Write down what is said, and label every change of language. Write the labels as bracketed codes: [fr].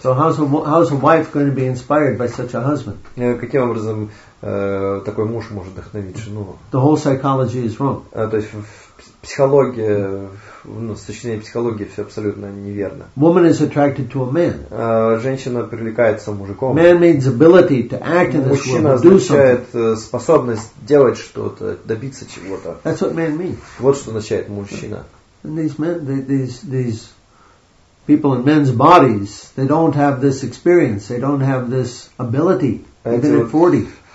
[en] So how's a wife going to be inspired by such a husband? [ru] Каким образом такой муж может вдохновить жену? [en] The whole psychology is wrong. [ru] То есть психология, с точки зрения психологии все абсолютно неверно. [en] Woman is attracted to a man. [ru] Женщина привлекается мужиком. [en] Man means ability to act in this world, do something. [ru] Мужчина означает способность делать что-то, добиться чего-то. [en] That's what man means. [ru] Вот что означает мужчина. [en] And these men, these people in men's bodies, they don't have this experience, they don't have this ability. They've been at 40.